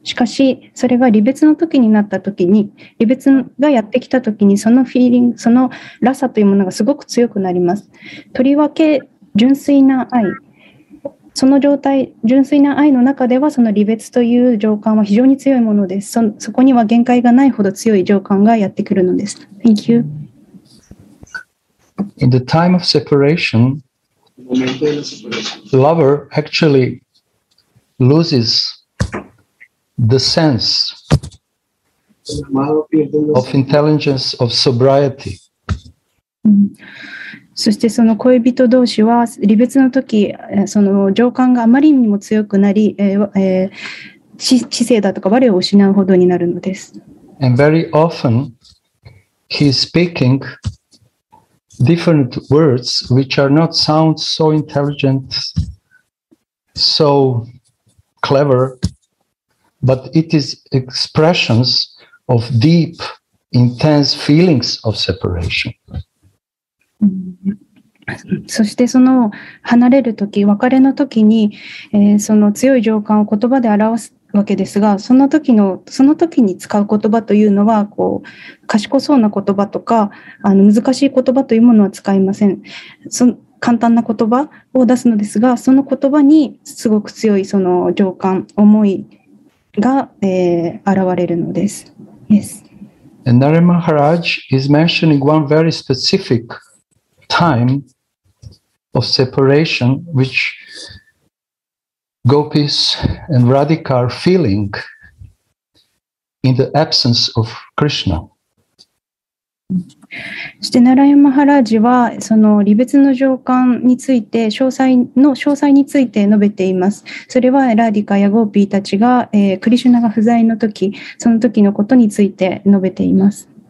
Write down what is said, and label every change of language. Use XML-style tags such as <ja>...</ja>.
<ja>しかし、それが離別のときになったときに、離別がやってきたときに、そのフィーリング、そのラサというものがすごく強くなります。とりわけ純粋な愛、その状態、純粋な愛の中ではその離別という情感は非常に強いものです。そこには限界がないほど強い情感がやってくるのです。</ja> <en>Thank you. In the time of separation, the lover actually loses the sense of intelligence, of sobriety.</en> <ja>そしてその恋人同士は離別の時その情感があまりにも強くなり、知性だとか我を失うほどになるのです。</ja> <en>And very often he's speaking different words which are not sound so intelligent, so clever, but it is expressions of deep, intense feelings of separation.</en> <ja>そしてその離れるとき別れのときに、その強い情感を言葉で表すわけですが、その時に使う言葉というのはこう賢そうな言葉とか難しい言葉というものは使いません。簡単な言葉を出すのですが、その言葉にすごく強いその情感思いが、現れるのです。</ja> <en>Yes. And Nare Maharaj is mentioning one very specificTime of separation, which Gopis and Radhika are feeling in the absence of Krishna.</en> <ja>そしてナラヤマハラジはその離別の情感について詳細について述べています。それはラディカやゴーピーたちが、クリシュナが不在の時、その時のことについて述べています。</ja>